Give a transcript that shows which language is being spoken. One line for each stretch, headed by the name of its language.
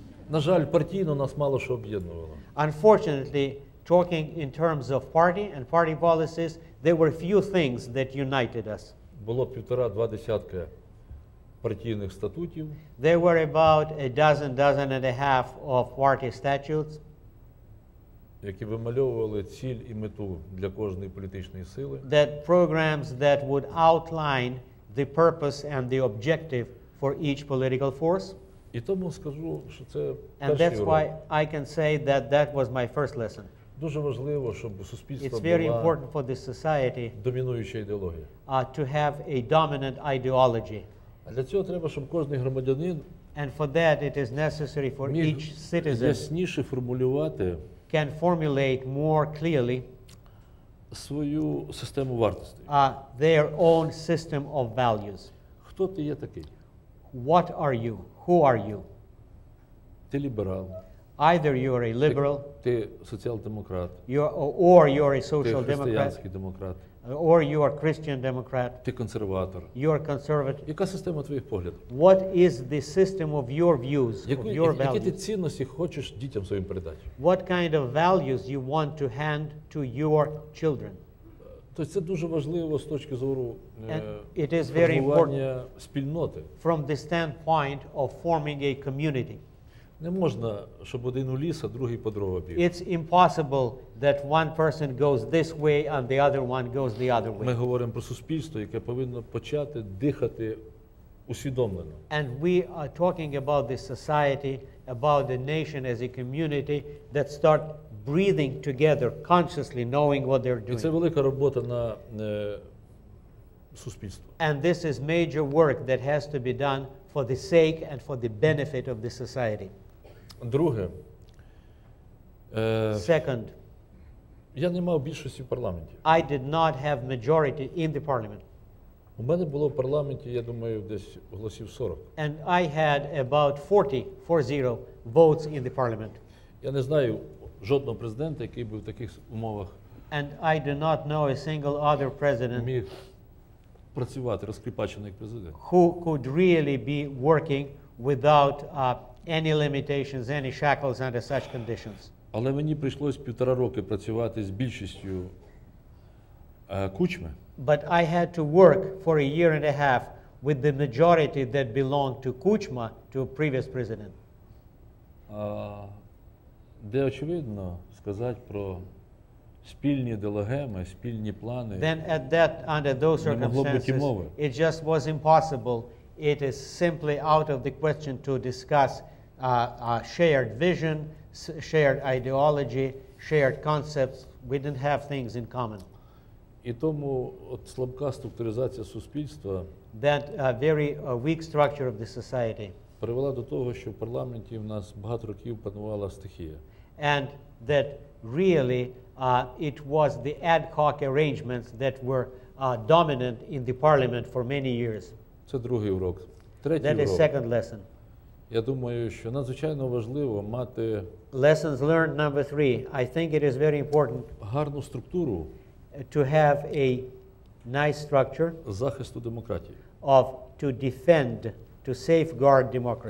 Ukrainian: На жаль, партійно нас мало що об'єднувало.
English: Unfortunately, talking in terms of party and party policies, there were few things that united us.
Ukrainian: Було півтора-два десятка партійних статутів.
English: There were about a dozen, dozen and a half of party statutes,
Ukrainian: які вимальовували ціль і мету для кожної політичної сили.
English: That programs that would outline the purpose and the objective for each political force.
Ukrainian: І тому скажу, що це перший урок.
English: And that's why I can say that that was my first lesson.
Ukrainian: Дуже важливо, щоб суспільство
English: It's very important for the society
Ukrainian: домінуюча ідеологія.
English: To have a dominant ideology.
Ukrainian: Для цього треба, щоб кожен громадянин
English: And for that it is necessary for each citizen
Ukrainian: ясніше формулювати
English: can formulate more clearly
Ukrainian: свою систему вартостей.
English: Their own system of values.
Ukrainian: Хто ти є такий?
English: What are you? Who are you?
Ukrainian: Ти ліберал.
English: Either you are a liberal.
Ukrainian: Ти соціал-демократ.
English: Or you are a social democrat.
Ukrainian: Ти християнський демократ.
English: Or you are Christian Democrat.
Ukrainian: Ти консерватор.
English: You are conservative.
Ukrainian: Яка система твоїх поглядів?
English: What is the system of your views, of your values?
Ukrainian: Які ти цінності хочеш дітям своїм передати?
English: What kind of values you want to hand to your children?
Ukrainian: Тобто це дуже важливо з точки зору формування спільноти.
English: From the standpoint of forming a community.
Ukrainian: Не можна, щоб один у ліс, а другий по дрова біг.
English: It's impossible that one person goes this way and the other one goes the other way.
Ukrainian: Ми говоримо про суспільство, яке повинно почати дихати усвідомлено.
English: And we are talking about the society, about the nation as a community that start breathing together consciously, knowing what they're doing.
Ukrainian: І це велика робота на суспільство.
English: And this is major work that has to be done for the sake and for the benefit of the society.
Ukrainian: Друге.
English: Second.
Ukrainian: Я не мав більшості в парламенті.
English: I did not have majority in the parliament.
Ukrainian: У мене було в парламенті, я думаю, десь голосів 40.
English: And I had about 40 votes in the parliament.
Ukrainian: Я не знаю жодного президента, який би в таких умовах.
English: And I do not know a single other president
Ukrainian: міг працювати розкріпачений як президент.
English: Who could really be working without any limitations, any shackles under such conditions.
Ukrainian: Але мені прийшлось півтора роки працювати з більшістю Кучми.
English: But I had to work for a year and a half with the majority that belonged to Kuchma, to a previous president.
Ukrainian: Де очевидно сказати про спільні дилогеми, спільні плани.
English: Then at that, under those circumstances, it just was impossible. It is simply out of the question to discuss a shared vision, shared ideology, shared concepts. We didn't have things in common.
Ukrainian: І тому от слабка структуризація суспільства
English: that very weak structure of the society
Ukrainian: привела до того, що в парламенті в нас багато років панувала стихія.
English: And that really it was the ad hoc arrangements that were dominant in the parliament for many years.
Ukrainian: Це другий урок. Третій
English: that
Ukrainian: урок.
English: That is second lesson.
Ukrainian: Я думаю, що надзвичайно важливо мати
English: lessons learned number three. I think it is very important
Ukrainian: гарну структуру
English: to have a nice structure
Ukrainian: захисту демократії.
English: Of to defend, to safeguard democracy.